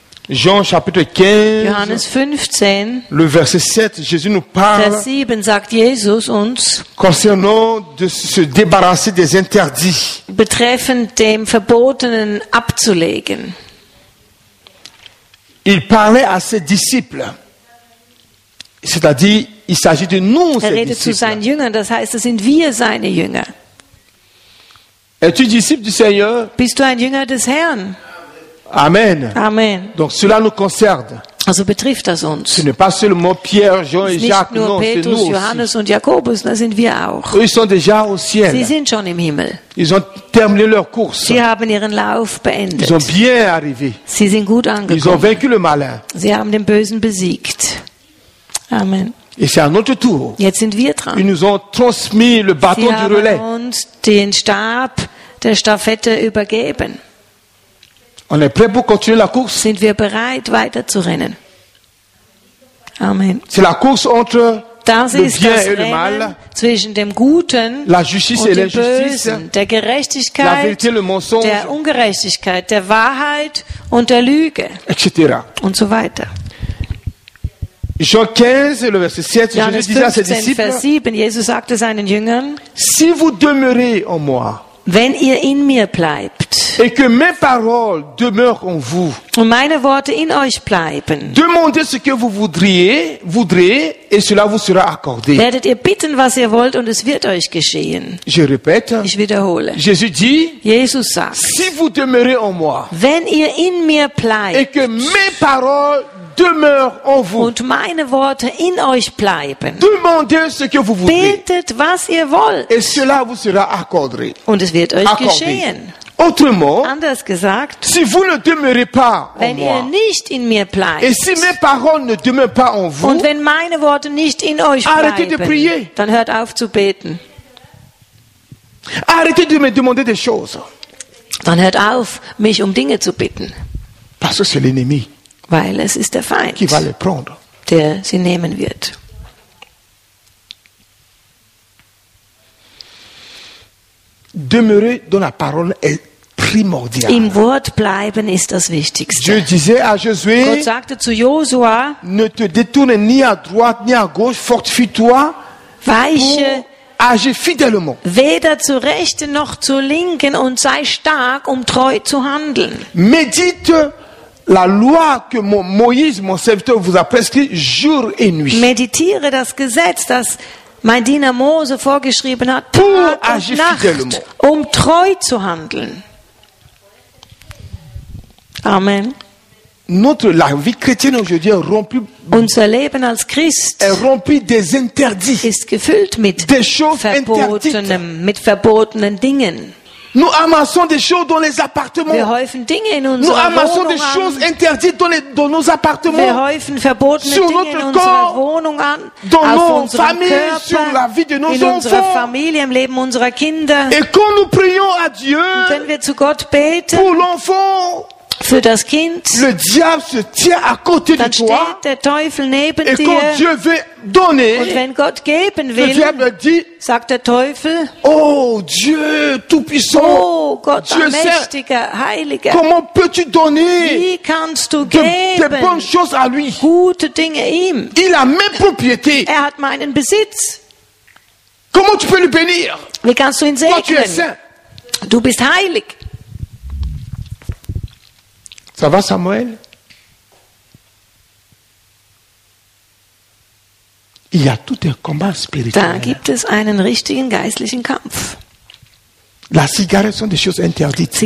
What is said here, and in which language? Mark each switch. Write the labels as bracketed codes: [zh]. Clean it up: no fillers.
[fr] Jean chapitre 15, [de] Johannes 15, [fr] le verset 7, Jésus nous parle [de] Vers 7 sagt Jesus uns, [fr] concernant de se débarrasser des interdits. [de] Betreffend dem Verbotenen abzulegen. [fr] Il parlait à ses disciples. C'est-à-dire, il s'agit de nous, ses disciples. [de] Er redet zu seinen Jüngern, das heißt, es sind wir seine Jünger. [fr] Es-tu disciple du Seigneur? [de] Bist du ein Jünger des Herrn? [fr] Amen. [de] Amen. [fr] Donc cela nous concerne. [de] Also betrifft das uns. [fr] Ce n'est pas seulement Pierre, Jean et Jacques, non, [de] Petrus, [fr] c'est nous [de] Johannes [fr] aussi. [de] Und Jakobus, da sind wir auch. [fr] Ils sont déjà au ciel. [de] Sie sind schon im Himmel. [fr] Ils ont terminé leur course. [de] Sie haben ihren Lauf beendet. [fr] Ils ont bien arrivé. [de] Sie sind gut angekommen. [fr] Ils ont vaincu le malin. [de] Sie haben den Bösen besiegt. [fr] Amen. Et c'est à notre tour. [de] Jetzt sind wir dran. [fr] Ils nous ont transmis le bâton [de] Sie [fr] du relais. [de] Sie haben uns den Stab der Stafette übergeben. [fr] On est prêt pour continuer la course? [de] Sind wir bereit, weiter zu rennen? Amen. [fr] C'est la course entre [de] Das ist das Ringen mal, zwischen dem Guten [fr] la justice [de] und [fr] et [de] dem Bösen, der Gerechtigkeit, [fr] la vérité, le mensonge, [de] der Ungerechtigkeit, der Wahrheit und der Lüge [fr] etc. [de] und so weiter. [fr] Jean 15, le verset 7, [de] Johannes 15, [fr] disait à ses disciples, [de] Vers 7, Jesus sagte seinen Jüngern, [fr] si vous demeurez en moi, [de] wenn ihr in mir bleibt [fr] et que mes paroles demeurent en vous, [de] und meine Worte in euch bleiben, [fr] demandez ce que vous voudrez, et cela vous sera accordé. [de] Werdet ihr bitten, was ihr wollt, und es wird euch geschehen. [fr] Je répète, [de] ich wiederhole. [fr] Jésus dit, [de] Jesus sagt, [fr] si vous demeurez en moi, [de] wenn ihr in mir bleibt [fr] et que mes paroles demeure en vous. [de] Und meine Worte in euch bleiben. [fr] Demandez ce que vous voulez. [de] Betet, was ihr wollt. [fr] Et cela vous sera accordé. [de] Und es wird euch geschehen. [fr] Autrement, [de] anders gesagt, [fr] si vous ne demeurez pas [de] wenn [fr] en [de] ihr [fr] moi, [de] nicht in mir bleibt, [fr] et si mes paroles ne demeurent pas en vous, [de] und wenn meine Worte nicht in euch [fr] arrêtez [de] bleiben, [fr] de prier. [de] Dann hört auf zu beten. [fr] Arrêtez de me demander des choses. [de] Dann hört auf, mich um Dinge zu bitten. [fr] Parce que c'est l'ennemi. [de] Weil es ist der Feind, [fr] qui va les prendre, [de] der sie nehmen wird. [fr] Demeurer dans la parole est primordial. [de] Im Wort bleiben ist das Wichtigste. [fr] Dieu disait à Josué, [de] Gott sagte zu Josua, [fr] ne te détourne ni à droite ni à gauche, fortifie-toi, [de] weiche [fr] pour agir fidèlement. [de] Weder zur rechten noch zur linken und sei stark, um treu zu handeln. [fr] Médite la loi que Moïse, mon serviteur, vous a prescrit jour et nuit. [de] Méditiere das Gesetz, das mein Diener Mose vorgeschrieben hat, pour Tag und Nacht, fidèlement. Um treu zu handeln. [fr] Amen. Notre la vie chrétienne aujourd'hui est remplie. [de] Unser Leben als Christ [fr] est rempli des interdits. [de] Ist gefüllt mit [fr] des choses interdites, [de] mit verbotenen Dingen. [fr] Nous amassons des choses dans les appartements. [de] Wir häufen Dinge in unseren [fr] Nous amassons Wohnung des choses [de] an. [fr] Interdites dans, les, dans nos appartements. [de] Wir häufen verbotene [fr] sur [de] Dinge [fr] notre [de] in [fr] corps, [de] Wohnung an, [fr] dans nos familles, sur la vie de nos [de] in [fr] enfants. [de] Unserer Familie, im Leben unserer Kinder. [fr] Et quand nous prions à Dieu, [de] Und wenn wir zu Gott beten, [fr] pour l'enfant, [de] für das Kind, [fr] le diable se tient à côté [de] dann [fr] de toi, [de] steht der Teufel neben [fr] et [de] dir. [fr] Quand Dieu veut donner, [de] und wenn Gott geben will, [fr] le diable dit, [de] sagt der Teufel, [fr] oh Dieu tout puissant, [de] oh Gott Dieu allmächtiger, heiliger, [fr] comment peux-tu donner [de] wie kannst du geben [fr] de bonnes choses à lui? [de] Gute Dinge ihm. [fr] Il a mes propriétés. [de] Er hat meinen Besitz. [fr] Comment tu peux lui bénir? [de] Wie kannst du ihn segnen? [fr] Toi, tu es saint. [de] Du bist heilig. [fr] Ça va, Samuel? Il y a tout un combat spirituel. [de] Da gibt es einen richtigen geistlichen Kampf. [fr] La cigarette sont des choses interdites.